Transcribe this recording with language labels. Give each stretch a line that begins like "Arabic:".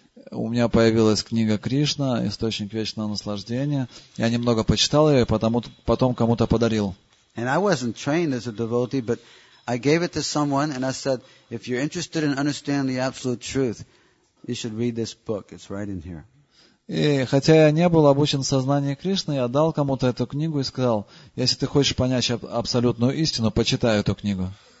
Russian: У меня появилась книга Кришна, источник вечного наслаждения. Я немного почитал ее, потом кому-то подарил.
English: And I wasn't trained as a devotee, but I gave it to someone, and I said, if you're interested in understanding the absolute truth, you should read this book. It's right in here.
Russian: И хотя я не был обучен сознанию Кришны, я дал кому-то эту книгу и сказал, если ты хочешь понять абсолютную истину, почитай эту книгу.